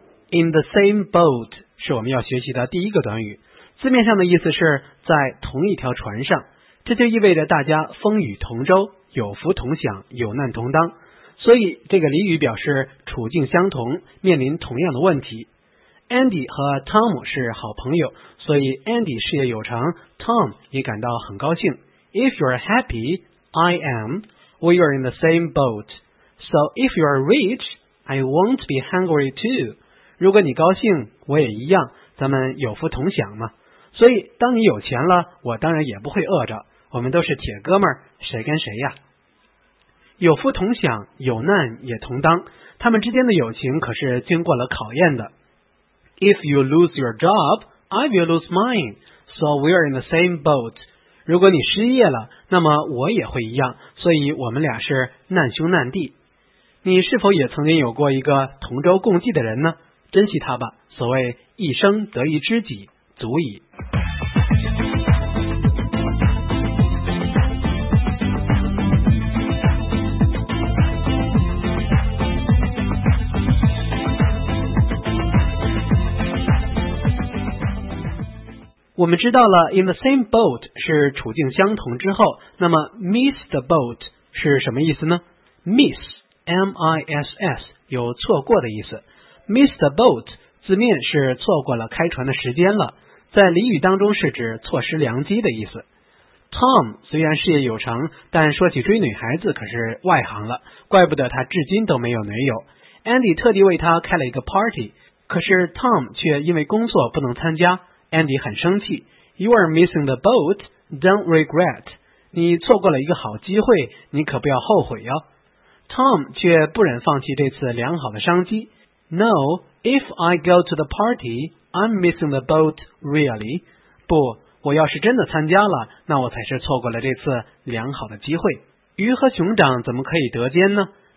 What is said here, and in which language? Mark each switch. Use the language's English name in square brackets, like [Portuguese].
[Chinese] In the same boat 是我们要学习的第一个短语，字面上的意思是在同一条船上，这就意味着大家风雨同舟，有福同享，有难同当。所以这个俚语表示处境相同，面临同样的问题。 Andy 和 Tom 是好朋友，所以 Andy 事业有成， Tom 也感到很高兴。 [English] If you're happy, I am. We are in the same boat. So if you're rich, I won't be hungry too. [Chinese] 如果你高兴，我也一样，咱们有福同享嘛。所以当你有钱了，我当然也不会饿着，我们都是铁哥们儿，谁跟谁呀。有福同享，有难也同当，他们之间的友情可是经过了考验的。 [English] If you lose your job, I will lose mine, so we are in the same boat. [Chinese] 如果你失业了，那么我也会一样，所以我们俩是难兄难弟。你是否也曾经有过一个同舟共济的人呢？珍惜他吧，所谓一生得一知己足矣。我们知道了 in the same boat 是处境相同之后，那么 miss the boat 是什么意思呢？ miss M-I-S-S 有错过的意思。 Miss the boat 字面是错过了开船的时间了，在俚语当中是指错失良机的意思。 Tom 虽然事业有成，但说起追女孩子可是外行了，怪不得他至今都没有女友。 Andy 特地为他开了一个 party， 可是 Tom 却因为工作不能参加。 Andy 很生气。 [English] You are missing the boat, don't regret. [Chinese] 你错过了一个好机会，你可不要后悔哟。Tom 却不忍放弃这次良好的商机。 [English] No, if I go to the party, I'm missing the boat, really. [Chinese] 不，我要是真的参加了，那我才是错过了这次良好的机会。鱼和熊掌怎么可以得兼呢？